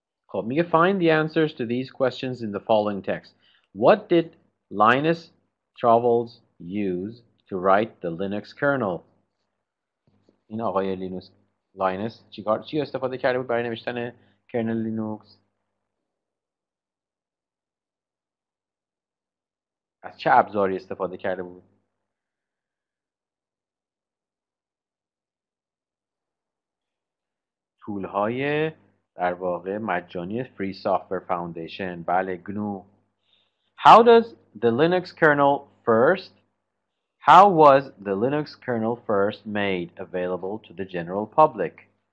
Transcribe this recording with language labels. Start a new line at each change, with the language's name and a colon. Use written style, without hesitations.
Persian: خب میگه
English: find the answers to these questions in the following text. What did Linus Torvalds use to write the Linux kernel?
Persian: این آقای لینوس لاینس چی استفاده کرده بود برای نوشتن کرنل لینوکس؟ از چه ابزاری استفاده کرده بود؟ تولهای در واقع مجانی Free Software Foundation، بله GNU.
English: How does the Linux kernel first? How was the Linux kernel first made available to the general public?